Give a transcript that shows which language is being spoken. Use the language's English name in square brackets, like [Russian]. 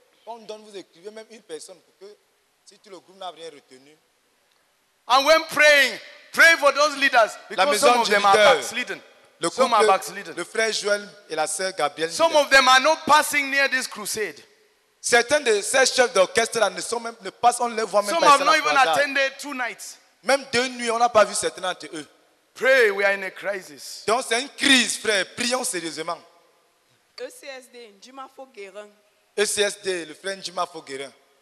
[French] On donne, vous écrivez même une personne pour que, si tout le groupe n'a rien retenu. [English] And when praying, pray for those leaders because some of them are backslidden. Some are backslidden. [French] Le frère Joël et la sœur Gabrielle. [English] Some of them are not passing near this crusade. [French] Certains de ces chefs d'orchestre ne sont même ne passent on les voit même pas. [English] Some have not even attended two nights. [French] Même deux nuits, on n'a pas vu certains d'entre eux. [English] Pray, we are in a crisis. [French] Donc c'est une crise, frère. Prions sérieusement. [English] ECSD, Njima Foguerin. [French] ECSD, le frère Njima Foguerin.